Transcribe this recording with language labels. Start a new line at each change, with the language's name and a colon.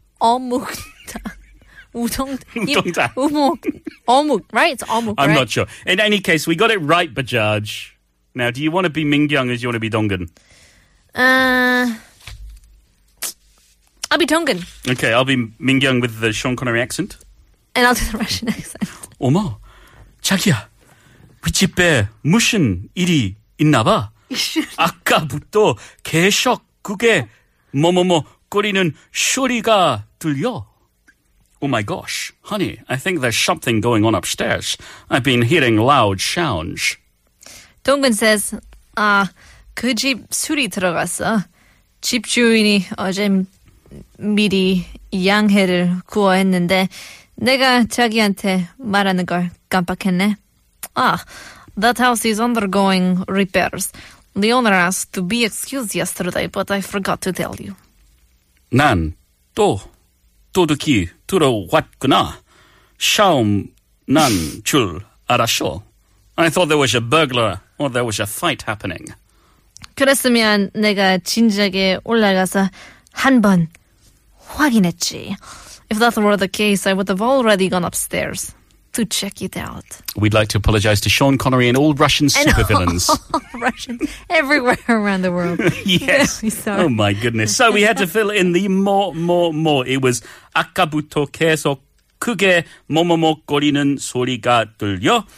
English: Omuktang. Udongtang. Omuk. Right? It's omuk, I'm not sure. In any case, we got it right, Bajaj. Now, do you want to be Mingyang or do you want to be Dongan? I'll be Dongan. Okay, I'll be Mingyang with the Sean Connery accent. And I'll do the Russian accent.
Korean: Oma, 자기야, 우리 집에 무슨 일이 있나 봐. 아까부터 계속 그게 뭐뭐뭐 거리는 소리가 들려.
English: Oh my gosh, honey, I think there's something going on upstairs. I've been hearing loud sounds. Dongan says,
Korean: 아, 그 집 술이 들어갔어. 집주인이 어제 미리 양해를 구했는데 내가 자기한테 말하는 걸 깜빡했네.
English: Ah, that house is undergoing repairs. The owner asked to be excused yesterday, but I forgot to tell you.
Korean: 난 또 도둑이 들어왔구나. 싸움 난 줄 알았어.
English: I thought there was a burglar or there was a fight happening.
Korean: 그랬으면 내가 진작에 올라가서 한 번 확인했지.
English: If that were the case, I would have already gone upstairs to check it out. We'd like to apologize to Sean Connery and all Russian supervillains. Russians everywhere around the world. Yes. Oh my goodness. So we had to fill in the more. It was
Korean: 아까부터 계속 크게 뭐뭐뭐 거리는 소리가 들려.